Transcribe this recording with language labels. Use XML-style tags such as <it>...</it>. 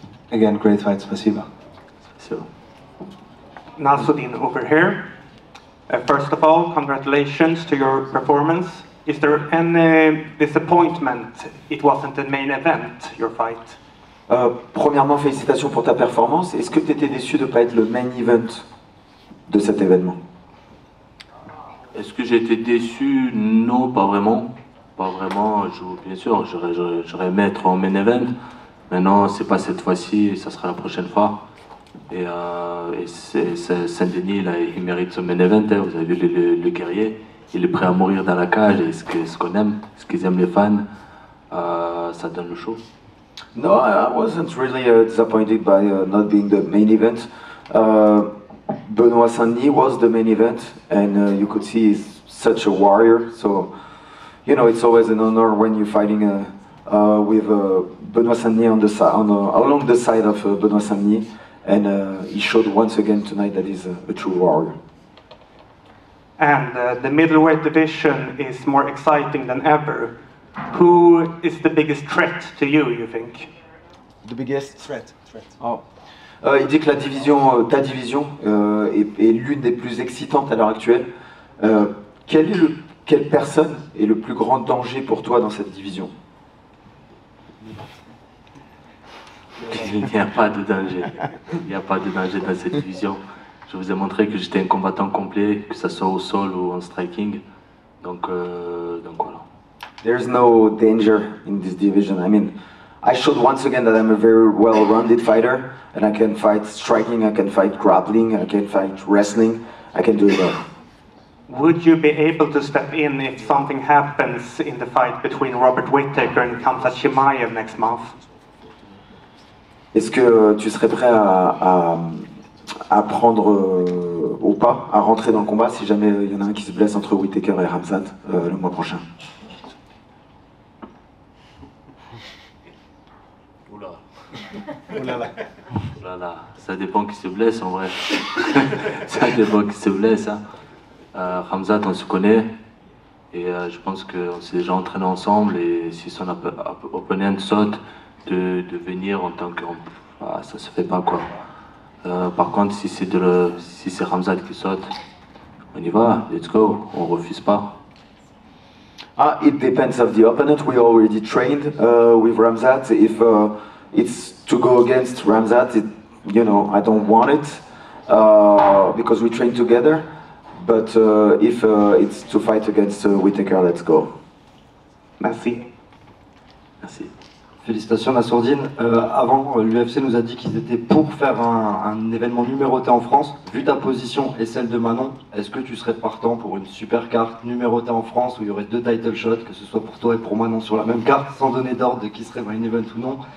<en>Again, great fight,</en> <ru>спасибо.</ru> <en>So, Nasruddin over here. First of all, congratulations to your performance. Is there any disappointment it wasn't the main event, your fight?</en> <fr>Premièrement, félicitations pour ta performance. Est-ce que tu étais déçu de ne pas être le main event de cet événement? Est-ce que j'ai été déçu? Non, pas vraiment. Pas vraiment, bien sûr, j'aurais aimé être en main event. Mais non, ce n'est pas cette fois-ci, ça sera la prochaine fois. Et Saint-Denis, là, il mérite son main event. Hein. Vous avez vu le guerrier. Il est prêt à mourir dans la cage, et ce qu'on aime, ce qu'ils aiment les fans, ça donne le show.</fr> <en>No, I wasn't really disappointed by not being the main event. Benoît Saint-Denis was the main event, and you could see he's such a warrior. So, you know, it's always an honor when you're fighting with Benoît Saint-Denis along the side of Benoît Saint-Denis, and he showed once again tonight that he's a true warrior. And the middleweight division is more exciting than ever. Who is the biggest threat to you, you think? The biggest threat. Oh.</en> <fr>Il dit que ta division est l'une des plus excitantes à l'heure actuelle. Quelle personne est le plus grand danger pour toi dans cette division? Il n'y a pas de danger. Il n'y a pas de danger dans cette division. Je vous ai montré que j'étais un combattant complet, que ça soit au sol ou en striking. Donc voilà.</fr> <en>There is no danger in this division. I mean, I showed once again that I'm a very well-rounded fighter and I can fight striking, I can fight grappling, I can fight wrestling. I can do it all. Would you be able to step in if something happens in the fight between Robert Whittaker and Kamsa Chimaev next month?</en> <fr>Est-ce que tu serais prêt à prendre au pas, à rentrer dans le combat si jamais il y en a un qui se blesse entre Whittaker et Khamzat le mois prochain? Oula. Oula là. Ça dépend qui se blesse en vrai. Ça dépend qui se blesse. Hein. Khamzat, on se connaît. Et je pense qu'on s'est déjà entraîné ensemble. Et si son opponent saute, de venir en tant que. Ça se fait pas quoi. Par contre, si c'est Khamzat qui saute, on y va,</fr> <en>let's go,</en> <fr>on refuse pas.</fr> <en>Ah, it depends of the opponent. We already trained with Khamzat. If it's to go against Khamzat, you know, I don't want it because we train together. But if it's to fight against Whittaker, let's go.</en> <fr>Merci. Merci. Félicitations Nasourdine. Avant, l'UFC nous a dit qu'ils étaient pour faire un événement numéroté en France. Vu ta position et celle de Manon, est-ce que tu serais partant pour une super carte numérotée en France où il y aurait deux title shots, que ce soit pour toi et pour Manon sur la même carte, sans donner d'ordre de qui serait main event ou non?</fr>